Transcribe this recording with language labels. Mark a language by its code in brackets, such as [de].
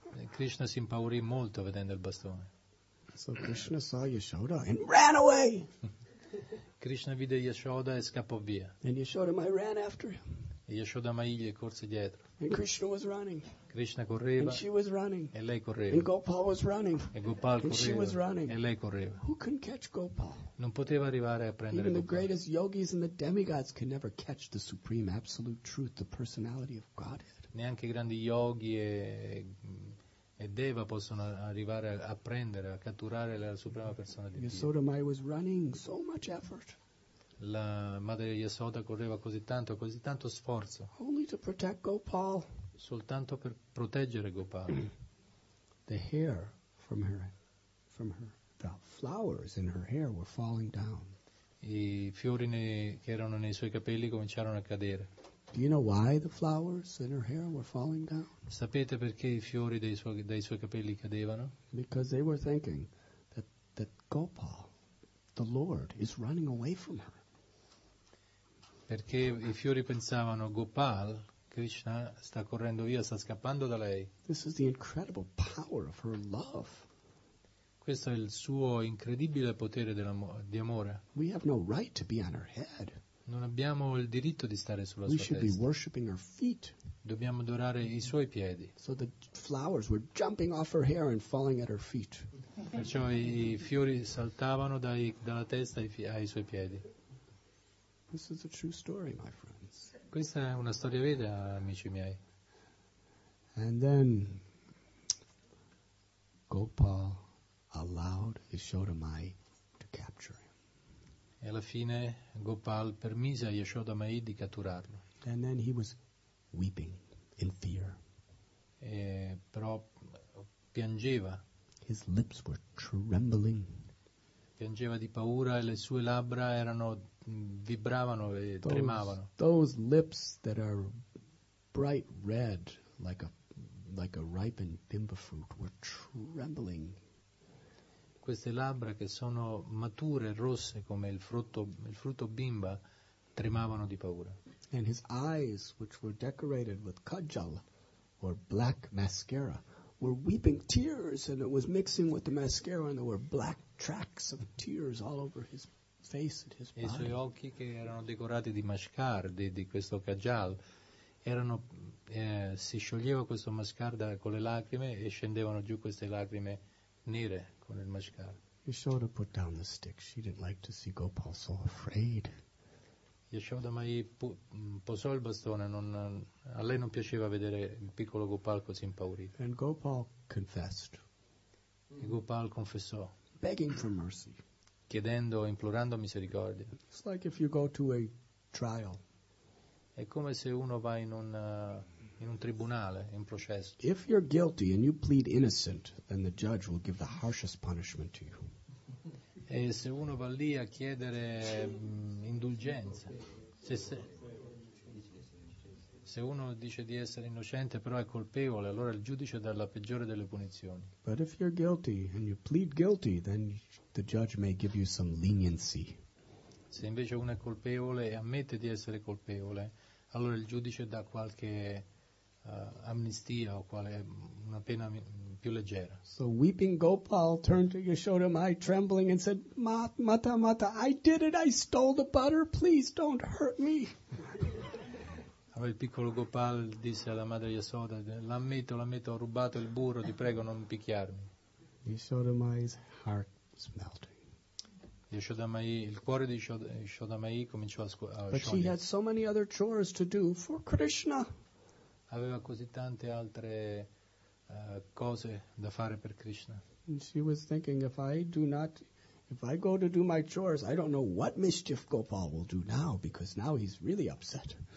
[it] Krishna si impaurì molto vedendo il bastone. [en] So Krishna saw Yashoda and ran away. [it] Krishna vide Yashoda e scappò via. [en] And Yashoda Mai ran after him. [it] E Yashoda Mai gli corse dietro. [en] And Krishna was running. [it] Krishna correva. [en] And she was running. [it] E lei correva. [en] And Gopal was running. [it] E Gopal correva. [en] And she was running. [it] E lei correva. [en] Who can catch Gopal? [it] Non poteva arrivare a prendere [en] Even [it] Gopal. [en] The greatest yogis and the demigods can never catch the supreme absolute truth, the personality of Godhead. [it] Neanche grandi yogi e Deva possono arrivare a prendere, a catturare la suprema persona di [en] Yashoda [it] Dio. [en] Mai was running so much effort. [it] La madre Yashoda correva così tanto sforzo. [en] Only to protect Gopal. [it] Soltanto per proteggere Gopal. [en] The hair from her, the flowers in her hair were falling down. [it] I fiori che erano nei suoi capelli cominciarono a cadere. [en] Do you know why the flowers in her hair were falling down? [it] Sapete perché i fiori dei suoi capelli cadevano? [en] Because they were thinking that Gopal, the Lord, is running away from her. [it] Perché i fiori pensavano Gopal, Krishna, sta correndo via, sta scappando da lei. [en] This is the incredible power of her love. [it] Questo è il suo incredibile potere di amore. [en] We have no right to be on her head. [it] Non abbiamo il diritto di stare sulla [en] We [it] sua testa. [en] Be worshiping her feet. [it] Dobbiamo adorare i suoi piedi. [en] So the flowers were jumping off her hair and falling at her feet. [it] Perciò i fiori saltavano dalla testa ai suoi piedi. [en] This is a true story, my friends. [it] Questa è una storia vera, amici miei. [en] And then Gopal allowed Yashoda Mai to capture him. [it] E alla fine Gopal permise a Yashoda Mai di catturarlo. [en] And then he was weeping in fear. [it] E però piangeva. [en] His lips were trembling. [it] Piangeva di paura e le sue labbra erano vibravano e tremavano. [en] Those lips that are bright red like a ripened bimba fruit were trembling. [it] Queste labbra che sono mature, rosse come il frutto bimba, tremavano di paura. [en] And his eyes, which were decorated with kajal, or black mascara, were weeping tears, and it was mixing with the mascara, and there were black tracks of tears all over his face and his body. [it] E i suoi occhi, che erano decorati di mascara, di questo kajal, erano si scioglieva questo mascara con le lacrime, e scendevano giù queste lacrime nere. Con il mascara. [en] Yashoda put down the stick. She didn't like to see Gopal so afraid. [it] Yashoda Mai posò il bastone. A lei non piaceva vedere il piccolo Gopal così impaurito. [en] And Gopal confessed. [it] E Gopal confessò. [en] Begging for mercy. [it] Chiedendo, implorando misericordia. [en] It's like if you go to a trial. [it] È come se uno va in un tribunale, in processo. [en] If you're guilty and you plead innocent, then the judge will give the harshest punishment to you. [it] E se uno va lì a chiedere indulgenza, se uno dice di essere innocente però è colpevole, allora il giudice dà la peggiore delle punizioni. [en] But if you're guilty and you plead guilty, then the judge may give you some leniency. [it] Se invece uno è colpevole e ammette di essere colpevole, allora il giudice dà qualche amnistia o quale una pena più leggera. [en] So weeping Gopal turned to Yashoda Mai trembling and said, Mata, Mata, I did it, I stole the butter, please don't hurt me. [it] Allora il piccolo Gopal disse alla madre Yashoda, l'ammetto, ho rubato il burro, ti prego non picchiarmi. [en] Yashoda Mai's heart was melting. [it] Yashoda Mai, il cuore di Yashoda Mai cominciò a sciogliersi. [en] But she had so many other chores to do for Krishna. [it] Aveva così tante altre cose da fare per Krishna. [en] And she was thinking, if I go to do my chores, I don't know what mischief Gopal will do now, because now he's really upset.